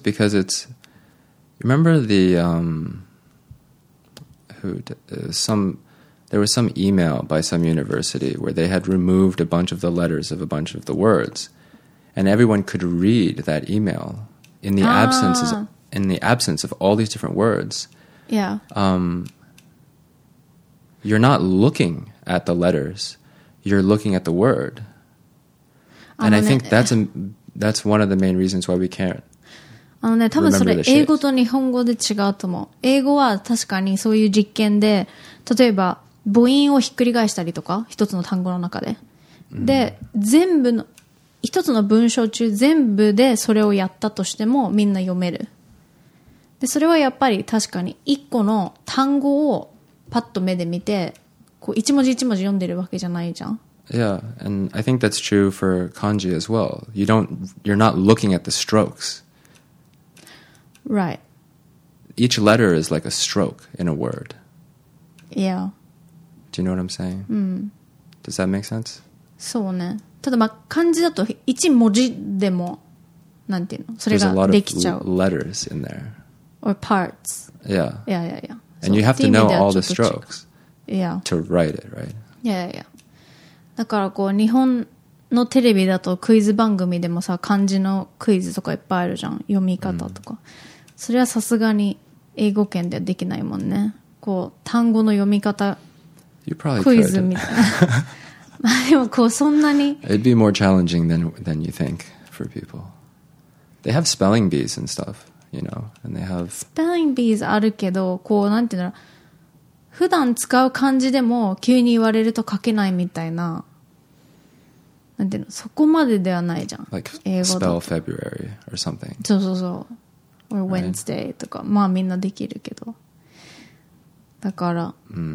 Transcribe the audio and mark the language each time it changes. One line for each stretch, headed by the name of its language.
English: Because it's,Remember the, there was some email by some university where they had removed a bunch of the letters of a bunch of the words, and everyone could read that email in the absence of all these different words. Yeah. You're not looking at the letters, you're looking at the word. And I think that's one of the main reasons why we can't.
Japanese: ね、多分それ英語と日本語で違うと思う。英語は確かにそういう実験で、例えば母音をひっくり返したりとか、一つの単語の中で。で、全部の、一つの文章中全部でそれをやったとしてもみんな読める。で、それはやっぱり確かに一個の単語をパッと目で見て、こう一文字一文字読んでるわけじゃないじゃん。
English: Yeah, and I think that's true for kanji as well. You're not looking at the strokes. Right. Each letter is like a stroke in a word. Yeah. Do you know what I'm saying? Does that make sense?
Japanese: そうね。ただまあ漢字だと一文字でもなんていうの、それができちゃう。
English: There's a lot of letters in there. Or parts. Yeah. Yeah, yeah, yeah. And you have to know all the strokes. Yeah. To write it, right? Yeah, yeah, yeah.
Japanese: だからこう日本のテレビだとクイズ番組でもさ漢字のクイズとかいっぱいあるじゃん、読み方とか、うん、それはさすがに英語圏ではできないもんね、こう単語の読み方
English: you probably
Japanese: クイズみたいなでもこうそんなに
English: It'd be more challenging than you think for people. They have spelling bees and stuff, you know, and they have
Japanese: spelling bees あるけど、こうなんていうの、普段使う漢字でも急に言われると書けないみたいな、なんていうの、そこまでではないじゃん、
English: like、
Japanese: 英語だと
English: spell February or something、
Japanese: そうそうそう、
English: or Wednesday、right.
Japanese: とか、まあみんなできるけど、だから、mm.